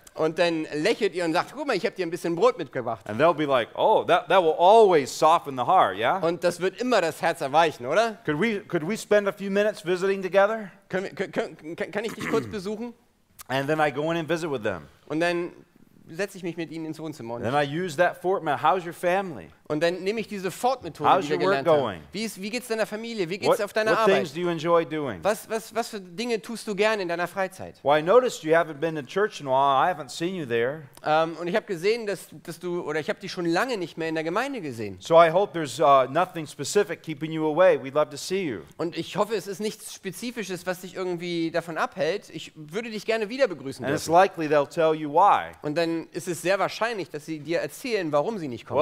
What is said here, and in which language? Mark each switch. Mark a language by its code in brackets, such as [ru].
[de] Und dann lächelt ihr und sagt, guck mal, ich habe dir ein bisschen Brot mitgebracht. [en] And they'll be like, oh, that will always soften the heart, yeah? [de] Und das wird immer das Herz erweichen, oder? [en] Could we spend a few minutes visiting together? [de] Kann ich dich kurz besuchen? [en] And then I go in and visit with them. [de] Und dann setze ich mich mit ihnen ins Wohnzimmer. [en] And then I use that Fort-Methode. How's your family? [de] Und dann nehme ich diese Fort-Methode, [en] how's [de] die wir gelernt haben. Wie geht's deiner Familie? Wie geht's auf deiner [en] what [de] Arbeit? [en] Things do you enjoy doing? [de] Was für Dinge tust du gerne in deiner Freizeit? [en] Well, I noticed you haven't been in church in a while. I haven't seen you there. [de] Und ich habe gesehen, dass du oder ich habe dich schon lange nicht mehr in der Gemeinde gesehen. [en] So I hope there's nothing specific keeping you away. We'd love to see you. [de] Und ich hoffe, es ist nichts Spezifisches, was dich irgendwie davon abhält. Ich würde dich gerne wieder begrüßen. [en] And it's likely they'll tell you why. [de] Und dann ist es sehr wahrscheinlich, dass sie dir erzählen, warum sie nicht kommen.